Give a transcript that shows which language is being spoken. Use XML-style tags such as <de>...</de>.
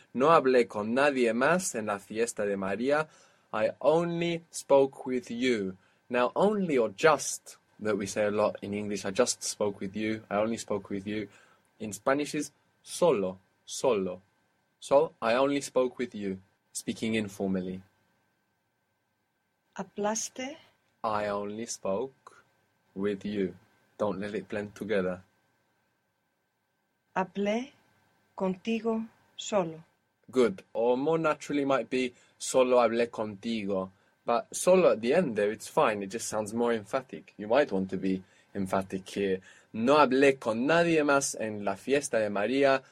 <es>No hablé con nadie más en la fiesta de María.</es> <en>I only spoke with you. Now, only or just that we say a lot in English. I just spoke with you. I only spoke with you. In Spanish is solo, solo. So, I only spoke with you, speaking informally.</en> <es>Hablaste.</es> <en>I only spoke with you. Don't let it blend together.</en> <es>Hablé contigo solo.</es> <en>Good. Or more naturally might be</en> <es>solo hablé contigo.</es> <en>But solo at the end there, it's fine. It just sounds more emphatic. You might want to be emphatic here.</en> <es>No hablé con nadie más en la fiesta de María.</es>